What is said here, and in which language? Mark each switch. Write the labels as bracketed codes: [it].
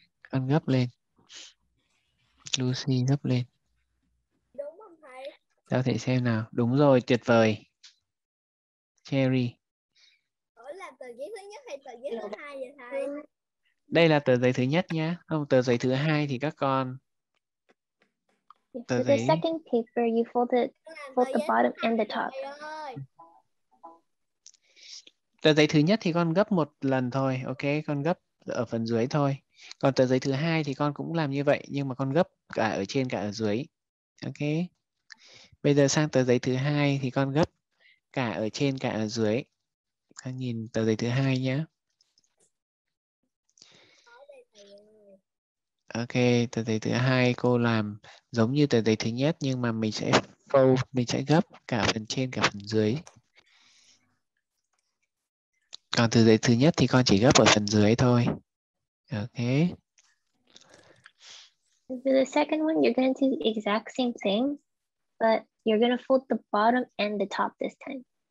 [vi] Con gấp lên. Lucy gấp lên. Cho thầy xem nào. Đúng rồi, tuyệt vời. Cherry. Ủa là tờ giấy thứ nhất hay tờ giấy thứ hai vậy thầy? Đây là tờ giấy thứ nhất nhá. Không, tờ giấy thứ hai thì các con. [en] So the second paper, you fold it, fold the bottom and the top. [vi] Tờ giấy thứ nhất thì con gấp một lần thôi, ok? Con gấp ở phần dưới thôi. Còn tờ giấy thứ hai thì con cũng làm như vậy, nhưng mà con gấp cả ở trên cả ở dưới, ok? Bây giờ sang tờ giấy thứ hai thì con gấp cả ở trên cả ở dưới. Con nhìn tờ giấy thứ hai nhé. Ok, tờ giấy thứ hai cô làm giống như tờ giấy thứ nhất nhưng mà mình sẽ fold, mình sẽ gấp cả phần trên cả phần dưới. Còn tờ giấy thứ nhất thì con chỉ gấp ở phần dưới thôi. Ok. [en] For the second one, you're going to do the exact same thing, but you're going to fold the bottom and the top this time.